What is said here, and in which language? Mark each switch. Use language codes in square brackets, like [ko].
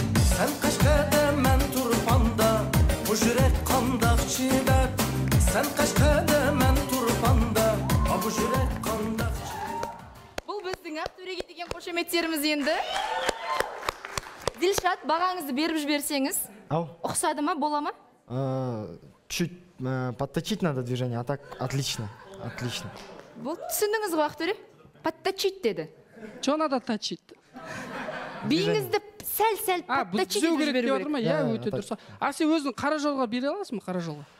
[ug] Сән қашқада, мән тұрпанда, бұ жүрек қандақ чидар. Сән қашқада, мән тұрпанда, бұ жүрек қандақ чидар. [kk] Бұл біздің Ақтөреге деген қошеметтеріміз енді. Дилшат, бағаңызды беріп жіберсеңіз. Ау. Ұқсады ма, бола ма? [ru] Чуть подточить надо движение, а так отлично. Отлично. Вот [kk] түсіндіңіз ғой, Ақтөре? Подточить деді. [ru] Что надо точить? [kk] Биіңізді сәл-сәл подточить деді жіберу керек. А, бұл жүзеу керек деп отыр ма? Я өте дұрыс. А сен өзің қара жолға бере аласың ма, қара жолға?